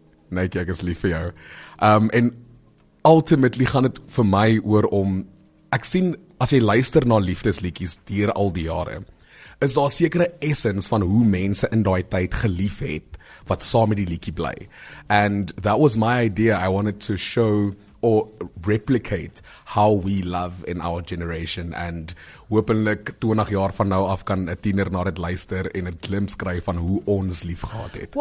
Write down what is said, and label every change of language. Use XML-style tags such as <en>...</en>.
<af>Nike ek is lief vir jou. En ultimately gaan het vir my oor om, ek sien as jy luister na liefdesliedjies deur al die jare, is daar sekere essence van hoe mense in daai tyd gelief het, wat saam met die liedjie bly.</af> <en>And that was my idea. I wanted to show or replicate how we love in our generation.</en> <af>And hopelik 20 jaar van nou af kan 'n tiener na dit luister en 'n glimpse kry van hoe ons lief gehad het.</af>